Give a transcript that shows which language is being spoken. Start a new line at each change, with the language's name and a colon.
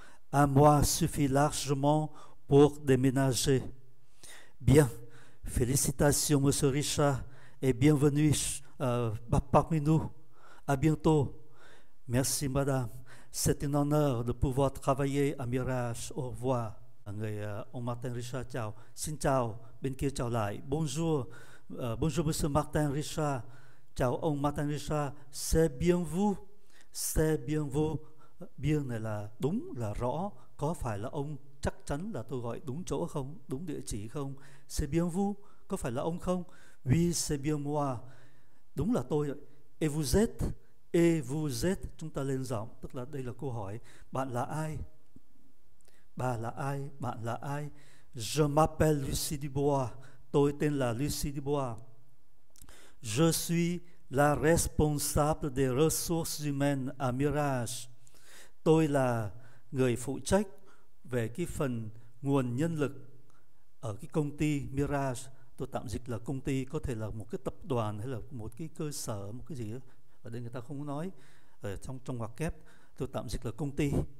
French: Un mois suffit largement pour déménager. Bien, félicitations, Monsieur Richard, et bienvenue parmi nous. À bientôt. Merci, Madame. C'est un honneur de pouvoir travailler à Mirage. Au revoir.
Vietnamese: Người ông Martin Richard chào. Xin chào, bên kia chào lại.
French: Bonjour, bonjour, Monsieur Martin Richard.
Vietnamese: Chào ông Martin Richard.
French: C'est bien vous? C'est bien vous?
Vietnamese: Bien này là đúng, là rõ. Có phải là ông? Chắc chắn là tôi gọi đúng chỗ không, đúng địa chỉ không?
French: C'est bien vous,
Vietnamese: có phải là ông không?
French: Oui, c'est bien moi,
Vietnamese: đúng là tôi.
French: Et vous êtes,
Vietnamese: chúng ta lên giọng, tức là đây là câu hỏi. Bạn là ai? Bà là ai? Bạn là ai?
French: Je m'appelle Lucie Dubois,
Vietnamese: tôi tên là Lucie Dubois.
French: Je suis la responsable des ressources humaines à Mirage.
Vietnamese: Tôi là người phụ trách về cái phần nguồn nhân lực ở cái công ty Mirage. Tôi tạm dịch là công ty, có thể là một cái tập đoàn hay là một cái cơ sở, một cái gì đó. Ở đây người ta không nói ở trong trong ngoặc kép, tôi tạm dịch là công ty.